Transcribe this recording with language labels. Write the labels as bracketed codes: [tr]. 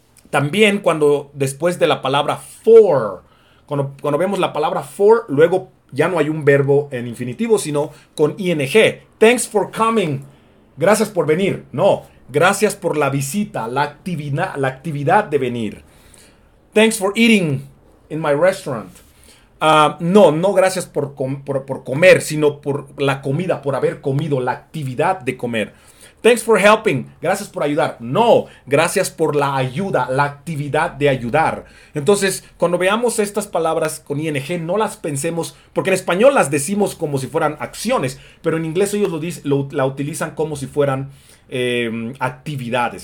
[es] También cuando después de la palabra for, cuando vemos la palabra for, luego ya no hay un verbo en infinitivo, sino con ing. [en] Thanks for coming. [es] Gracias por venir. No, gracias por la visita, la actividad de venir. [en] Thanks for eating in my restaurant. [es] No gracias por comer, sino por la comida, por haber comido, la actividad de comer. [en] Thanks for helping. [es] Gracias por ayudar. No, gracias por la ayuda, la actividad de ayudar. Entonces, cuando veamos estas palabras con ing, no las pensemos, porque en español las decimos como si fueran acciones, pero en inglés ellos la utilizan como si fueran actividades.